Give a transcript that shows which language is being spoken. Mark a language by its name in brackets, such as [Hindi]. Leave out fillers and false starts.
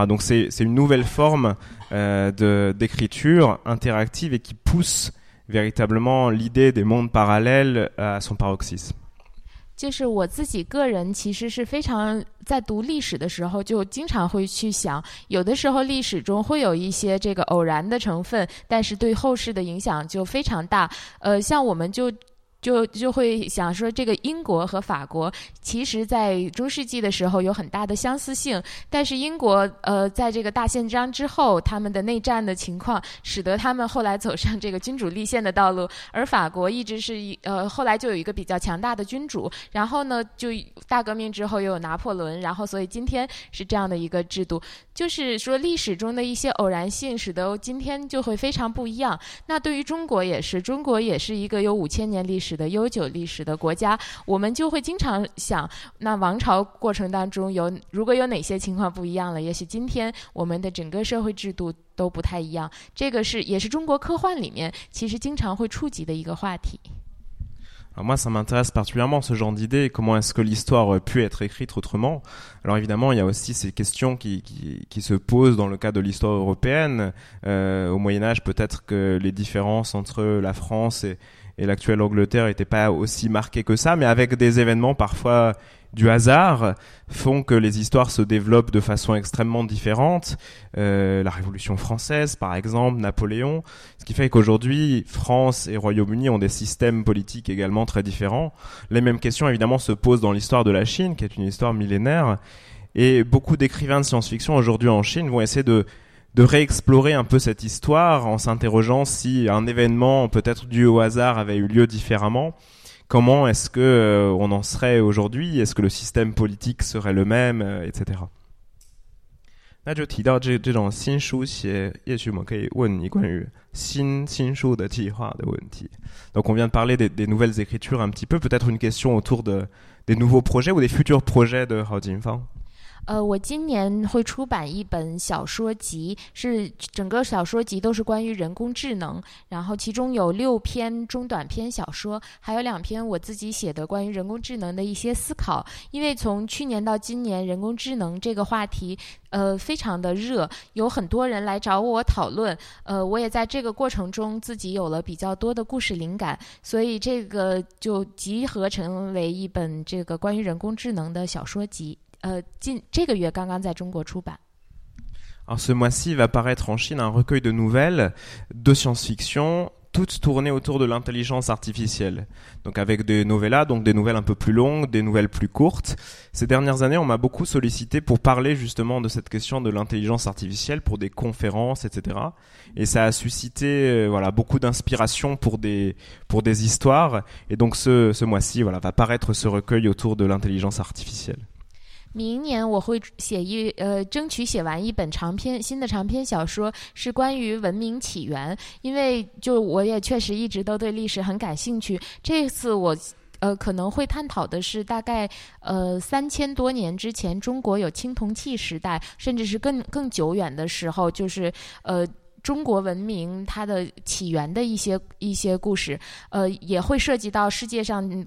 [French] Donc c'est une nouvelle forme d'écriture interactive et qui pousse véritablement l'idée des mondes parallèles à son paroxysme. [Chinese] 就是我自己个人其实是非常在读历史的时候就经常会去想，有的时候历史中会有一些这个偶然的成分，但是对后世的影响就非常大。像我们就会想说，这个英国和法国其实在中世纪的时候有很大的相似性，但是英国在这个大宪章之后，他们的内战的情况使得他们后来走上这个君主立宪的道路，而法国一直是后来就有一个比较强大的君主，然后呢就大革命之后又有拿破仑，然后所以今天是这样的一个制度，就是说历史中的一些偶然性使得今天就会非常不一样。那对于中国也是，中国也是一个有5000年历史的悠久历史的国家，我们就会经常想，那王朝过程当中如果有哪些情况不一样了，也许今天我们的整个社会制度都不太一样，这个是也是中国科幻里面其实经常会触及的一个话题。 [French] Alors moi, ça m'intéresse particulièrement ce genre d'idée. Comment est-ce que l'histoire aurait pu être écrite autrement? Alors évidemment, il y a aussi ces questions qui se posent dans le cadre de l'histoire européenne. Au Moyen-Âge, peut-être que les différences entre la France et l'actuelle Angleterre n'étaient pas aussi marquées que ça, mais avec des événements parfois du hasard font que les histoires se développent de façon extrêmement différente. La Révolution française, par exemple, Napoléon, ce qui fait qu'aujourd'hui, France et Royaume-Uni ont des systèmes politiques également très différents. Les mêmes questions, évidemment, se posent dans l'histoire de la Chine, qui est une histoire millénaire. Et beaucoup d'écrivains de science-fiction aujourd'hui en Chine vont essayer de réexplorer un peu cette histoire en s'interrogeant si un événement, peut-être dû au hasard, avait eu lieu différemment. Comment est-ce que on en serait aujourd'hui? Est-ce que le système politique serait le même, etc. [Chinese] 那就提到这种新书写，也许我们可以问你关于新书的计划的问题。 [French] Donc on vient de parler des nouvelles écritures un petit peu, peut-être une question autour des nouveaux projets ou des futurs projets de Hao Jingfang。 [Chinese] 我今年会出版一本小说集，是整个小说集都是关于人工智能，然后其中有6篇中短篇小说，还有2篇我自己写的关于人工智能的一些思考。因为从去年到今年，人工智能这个话题非常的热，有很多人来找我讨论，我也在这个过程中自己有了比较多的故事灵感，所以这个就集合成为一本这个关于人工智能的小说集。这个月刚刚在中国出版。 [French] Alors, ce mois-ci va paraître en Chine un recueil de nouvelles de science-fiction, toutes tournées autour de l'intelligence artificielle. Donc avec des novellas, donc des nouvelles un peu plus longues, des nouvelles plus courtes. Ces dernières années, on m'a beaucoup sollicité pour parler justement de cette question de l'intelligence artificielle pour des conférences, etc. Et ça a suscité beaucoup d'inspiration pour des histoires. Et donc ce mois-ci va paraître ce recueil autour de l'intelligence artificielle. [Chinese] 明年我会争取写完一本长篇新的长篇小说，是关于文明起源。因为就我也确实一直都对历史很感兴趣，这次我可能会探讨的是大概3000多年之前中国有青铜器时代，甚至是更久远的时候，就是中国文明它的起源的一些故事，也会涉及到世界上